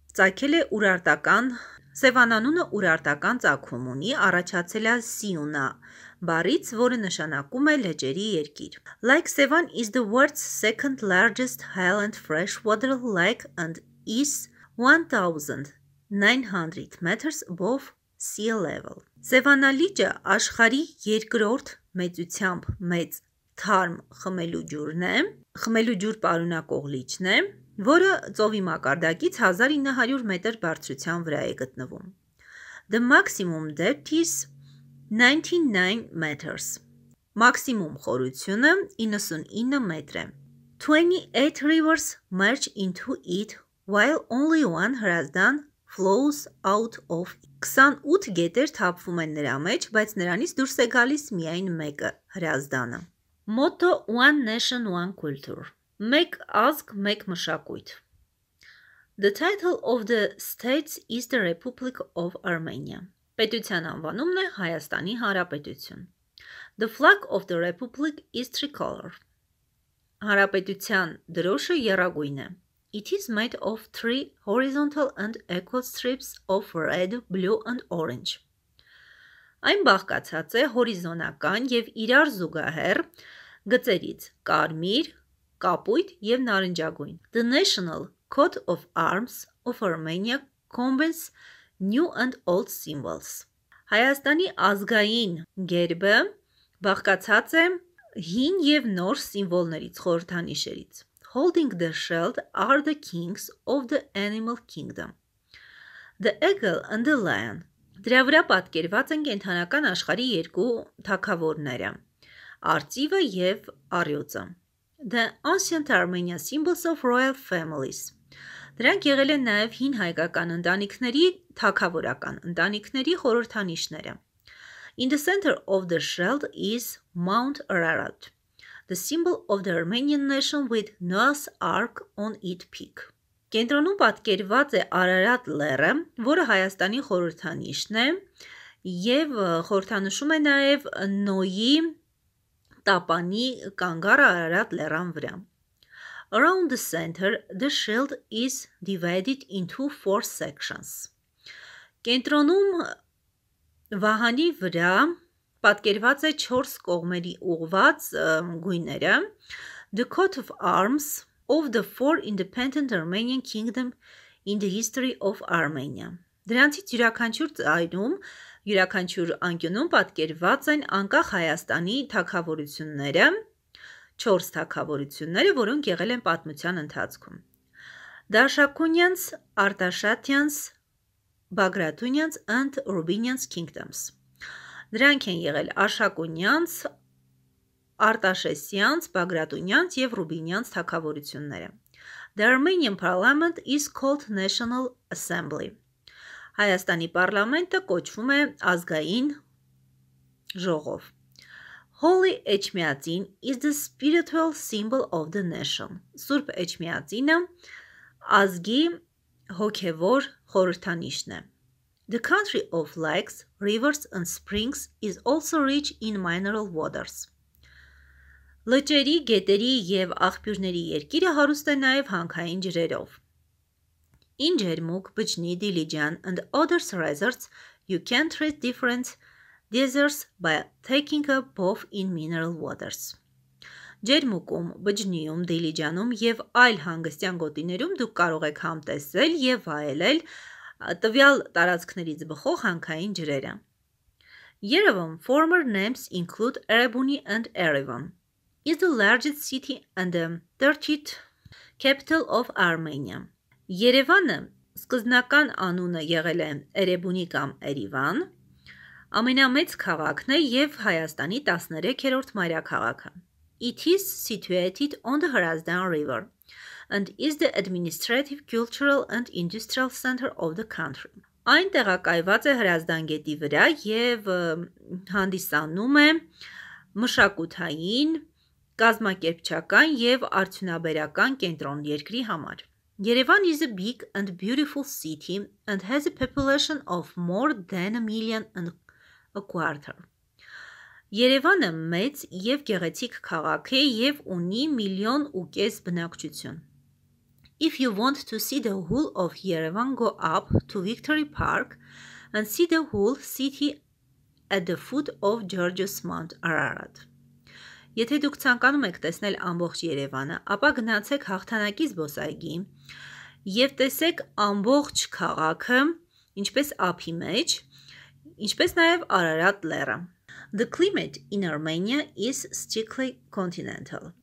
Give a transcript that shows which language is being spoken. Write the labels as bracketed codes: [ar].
[hy] Ցակել է ուրարտական Սևանանունը ուրարտական ցակում ունի առաջացել է Սիունա բառից, որը նշանակում է լճերի երկիր. [en] Lake Sevan is the world's second largest highland freshwater lake and is 1900 meters above sea level. [hy] Սևանա լիճը աշխարհի երկրորդ մեծությամբ մեծ թարմ խմելու ջուրն է, խմելու ջուր պարունակող լիճն է, որը ծովի մակարդակից 1900 մետր բարձրության վրա է գտնվում. [en] The maximum depth is 99 meters. [hy] Մաքսիմում խորությունը 99 մետր է. [en] 28 rivers merge into it, while only one Հրազդան flows out of it. [hy] 28 գետեր թափվում են նրա մեջ, բայց նրանից դուրս է գալիս միայն մեկը՝ Հրազդանը. [en] Motto: One Nation, One Culture. [hy] Մեկ ազգ, մեկ մշակույթ. [en] The title of the state is the Republic of Armenia. [hy] Պետության անվանումն է Հայաստանի Հանրապետություն. [en] The flag of the Republic is tricolor. [hy] Հանրապետության դրոշը եռագույն է. [en] It is made of three horizontal and equal strips of red, blue and orange. [hy] Այն բաղկացած է հորիզոնական և իրար զուգահեռ գծերից՝ կարմիր, կապույտ և նարնջագույն. [en] The national coat of arms of Armenia combines new and old symbols. [hy] Հայաստանի ազգային գերբը բաղկացած է հին և նոր սիմվոլներից, խորհրդանիշերից. [en] Holding the shield are the kings of the animal kingdom. The eagle and the lion. [hy] Դրա վրա պատկերված են կենդանական աշխարհի երկու թագավորները՝ արծիվը և առյուծը. [en] The ancient Armenian symbols of royal families. [hy] Դրանք եղել են նաև հին հայկական ընտանիքների, թագավորական ընտանիքների խորհրդանիշները. [en] In the center of the shield is Mount Ararat, the symbol of the Armenian nation with Noah's Ark on its peak. [hy] Կենտրոնում պատկերված է Արարատ լեռը, որը Հայաստանի խորհրդանիշն է և խորհրդանշում է նաև Նոյի տապանի կանգարը Արարատ լեռան վրա. [en] Around the center, the shield is divided into four sections. [hy] Կենտրոնում վահանի վրա պատկերված է 4 կողմերի ուղված գույները. [en] The coat of arms of the four independent Armenian kingdom in the history of Armenia. [hy] Դրանցից յուրաքանչյուր ծայրում, յուրաքանչյուր անկյունում պատկերված են անկախ Հայաստանի թագավորությունները, 4 թագավորությունները, որոնք եղել են պատմության ընթացքում. [en] Դաշակունյանց, Արտաշատյանց, Բագրատունյանց and Ռուբինյանց kingdoms. [hy] Դրանք են եղել Արշակունյանց, Արտաշեսյանց, Բագրատունյանց և Ռուբինյանց թագավորությունները. [en] The Armenian Parliament is called National Assembly. [hy] Հայաստանի պարլամենտը կոչվում է ազգային ժողով. [en] Holy Echmiadzin is the spiritual symbol of the nation. [hy] Սուրբ Էջմիածինը ազգի հոգևոր խորհրդանիշն է։ [en] The country of lakes, rivers, and springs is also rich in mineral waters. [hy] Լճերի, գետերի և աղբյուրների երկիրը հարուստ է նաև հանքային ջրերով. [en] In Jermuk, Bujni, Dilijan, and other resorts, you can treat different deserts by taking a bath in mineral waters. [hy] Jermukum, Bujniyum, Dilijanum, և այլ հանգստյան գոտիներում դուք կարող եք համտեսել և վայելել տվյալ տարածքներից բխող հանքային ջրերը. [en] Yerevan former names include Erebuni and Erevan. Is the largest city and the 30th capital of Armenia. [hy] Երևանը սկզնական անունը եղել է Էրեբունի կամ Երևան, ամենամեծ քաղաքն է եւ Հայաստանի 13-րդ մայրաքաղաքը. [en] It is situated on the Hrazdan River and is the administrative, cultural and industrial center of the country. [hy] Այն տեղակայված է Հրազդան գետի վրա եւ հանդիսանում է մշակութային, կազմակերպչական եւ արդյունաբերական կենտրոն երկրի համար. [en] Yerevan is a big and beautiful city and has a population of more than a million and a quarter. [hy] Yerevan-ը մեծ եւ գեղեցիկ քաղաք է եւ ունի միլիոն ու կես բնակչություն. [en] If you want to see the whole of Yerevan, go up to Victory Park and see the whole city at the foot of George's Mount Ararat. [hy] Եթե դուք ցանկանում եք տեսնել ամբողջ Երևանը, ապա գնացեք հաղթանակի զբոսայգի եւ տեսեք ամբողջ քաղաքը, ինչպես ափի մեջ, ինչպես նաեւ Արարատ լեռը. [en] The climate in Armenia is strictly continental.